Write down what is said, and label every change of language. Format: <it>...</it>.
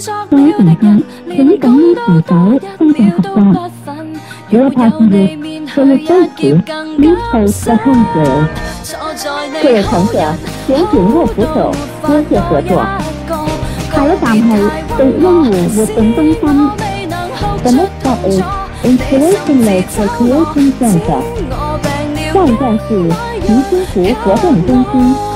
<zh>各位乘客，请紧握扶手，非常合适。</zh> <en>Dear passengers, for your safety, please hold the handrail.</en> <zh>各位乘客，请紧握扶手，多谢合作。下一站是迪欣湖活动中心。</zh> <en>The next stop is Installation Lake Recreation Center.</en> <zh>下一站是迪欣湖活动中心。</zh>